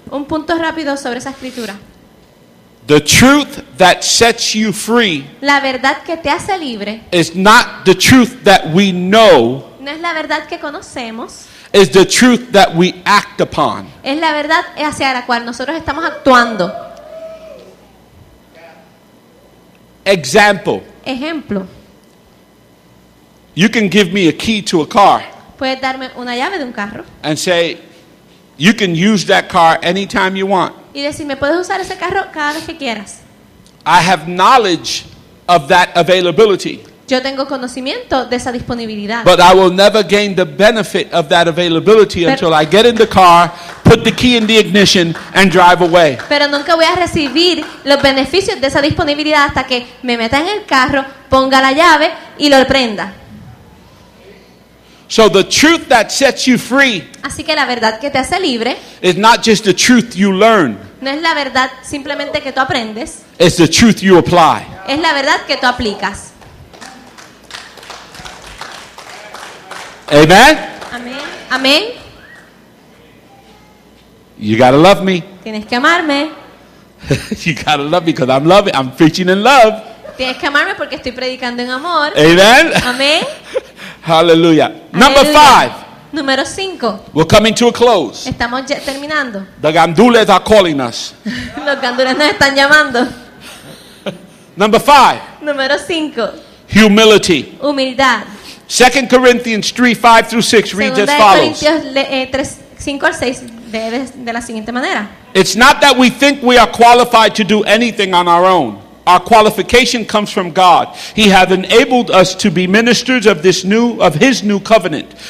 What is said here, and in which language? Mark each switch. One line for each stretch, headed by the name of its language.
Spanish: Un punto rápido sobre esa escritura.
English: The truth that sets you free.
Spanish: La verdad que te hace libre.
English: Is not the truth that we know.
Spanish: No es la verdad que conocemos.
English: Is the truth that we act upon.
Spanish: Es la verdad hacia la cual nosotros estamos actuando.
English: Example.
Spanish: Ejemplo.
English: You can give me a key to a car.
Spanish: Puedes darme una llave de un carro.
English: And say, you can use that car anytime you want.
Spanish: Y decirme, puedes usar ese carro cada vez que quieras.
English: I have knowledge of that availability.
Spanish: Yo tengo conocimiento de esa disponibilidad.
English: But I will never gain the benefit of that availability until I get in the car, put the key in the ignition, and drive away.
Spanish: Pero nunca voy a recibir los beneficios de esa disponibilidad hasta que me meta en el carro, ponga la llave y lo prenda.
English: So the truth that sets you free.
Spanish: Así que la verdad que te hace libre.
English: Is not just the truth you learn.
Spanish: No es la verdad simplemente que tú aprendes.
English: It's the truth you apply.
Spanish: Es la verdad que tú aplicas.
English: Amen.
Spanish: Amén. Amén.
English: You gotta love me.
Spanish: Tienes que amarme.
English: You gotta love me because I'm loving. I'm preaching in love.
Spanish: Tienes que amarme porque estoy predicando en amor.
English: Amen.
Spanish: Amén.
English: Hallelujah. Number 5.
Spanish: Número 5.
English: We're coming to a close.
Spanish: Estamos ya terminando.
English: The gandules are calling us.
Spanish: Los gandules nos están llamando.
English: Number 5.
Spanish: Número 5.
English: Humility.
Spanish: Humildad.
English: 2 Corinthians 3:5 through 6 reads as follows.
Spanish: 2 Corintios 5 al 6 lee de la siguiente manera.
English: It's not that we think we are qualified to do anything on our own. Our qualification comes from God. He hath enabled us to be ministers of his new covenant.